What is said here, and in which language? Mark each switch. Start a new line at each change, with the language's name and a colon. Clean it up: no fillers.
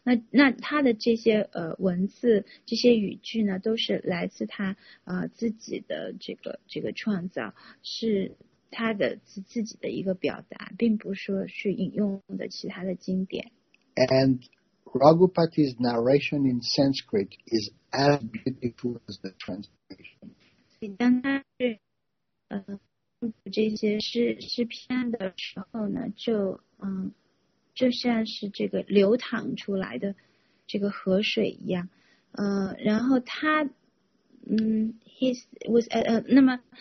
Chinese: 那他的这些文字，这些语句呢，都是来自他自己的这个创造，是。他的自己的一个表达，并不是说去引用的其他的经典。
English: And Raghupati's narration in Sanskrit is as beautiful as the translation.
Chinese: 当他是这些诗篇的时候呢，就像是这个流淌出来的这个河水一样，然后他那么。